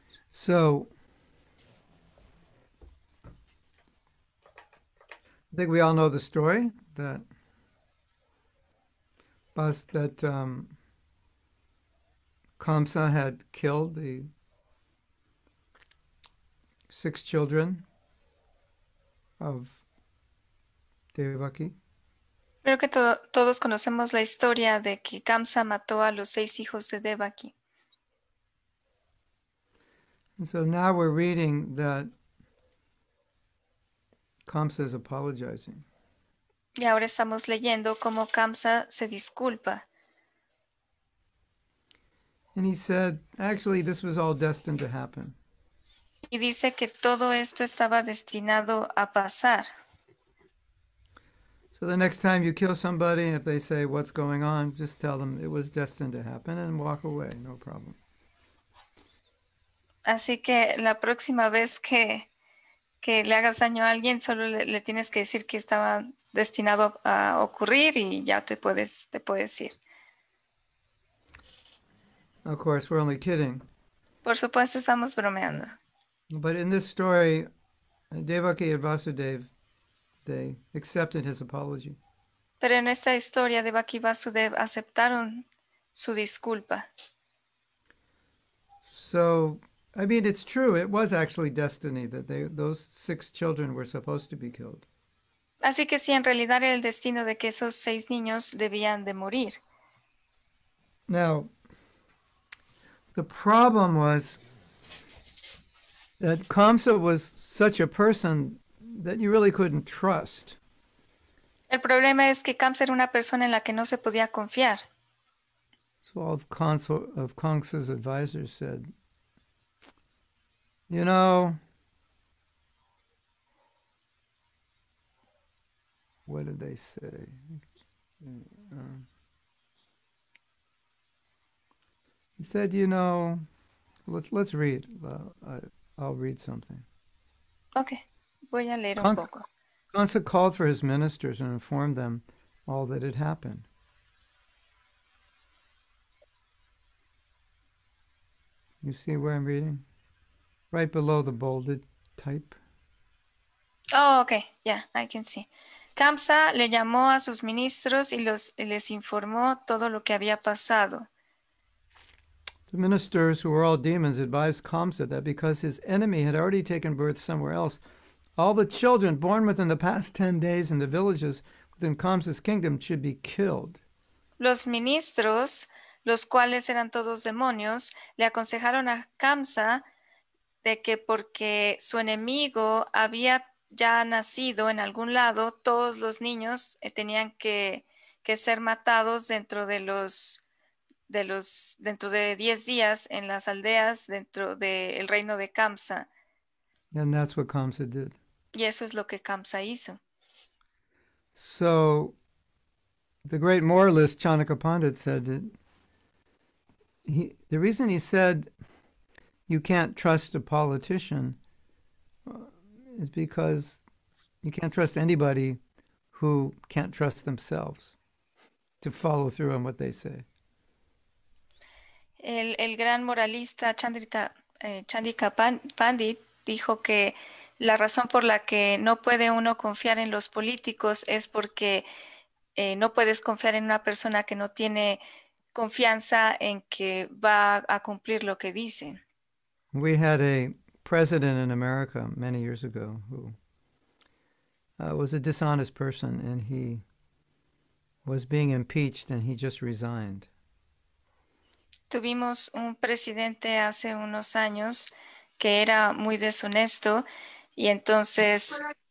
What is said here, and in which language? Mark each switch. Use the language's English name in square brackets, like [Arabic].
[English] So I think we all know the story that Kamsa had killed the six children of Devaki. [Spanish] Creo que todos conocemos la historia de que Kamsa mató a los seis hijos de Devaki. [English] And so now we're reading that Kamsa is apologizing. [Spanish] Y ahora estamos leyendo cómo Kamsa se disculpa. [English] And he said, actually, this was all destined to happen. [Spanish] Y dice que todo esto estaba destinado a pasar. [English] So the next time you kill somebody, if they say, what's going on, just tell them it was destined to happen and walk away, no problem. [Spanish] Así que la próxima vez que le hagas daño a alguien, solo le tienes que decir que estaba destinado a ocurrir y ya te puedes ir. [English] Of course, we're only kidding. [Spanish] Por supuesto, estamos bromeando. [English] But in this story, Devaki and Vasudev, they accepted his apology. [Spanish] Pero en esta historia, Devaki y Vasudev aceptaron su disculpa. [English] So, I mean, it's true. It was actually destiny that those six children were supposed to be killed. [Spanish] Así que sí, en realidad era el destino de que esos seis niños debían de morir. [English] Now, the problem was that Kamsa was such a person that you really couldn't trust. [Spanish] El problema es que Kamsa era una persona en la que no se podía confiar. [English] So all of Kamsa's advisors said, you know, What did they say? He said, you know, let's read. I'll read something. [Spanish] Okay, voy a leer un [English] Kansa called for his ministers and informed them all that had happened. You see where I'm reading? Right below the bolded type. Oh, okay, ya, yeah, I can see. [Spanish] Kamsa le llamó a sus ministros y les informó todo lo que había pasado. [English] The ministers, who were all demons, advised Kamsa that because his enemy had already taken birth somewhere else, all the children born within the past 10 days in the villages within Kamsa's kingdom should be killed. [Spanish] Los ministros, los cuales eran todos demonios, le aconsejaron a Kamsa de que porque su enemigo había ya nacido en algún lado, todos los niños tenían que ser matados dentro de dentro de 10 días en las aldeas dentro del reino de Kamsa. [English] And that's what Kamsa did. [Spanish] Y eso es lo que Kamsa hizo. [English] So the great moralist Chanaka Pandit said that the reason he said you can't trust a politician is because you can't trust anybody who can't trust themselves to follow through on what they say. [Spanish] El gran moralista Chandika Pandit dijo que la razón por la que no puede uno confiar en los políticos es porque no puedes confiar en una persona que no tiene confianza en que va a cumplir lo que dice. [English] We had a president in America many years ago who was a dishonest person, and he was being impeached, and he just resigned. [Spanish] Tuvimos un presidente hace unos años que era muy deshonesto y entonces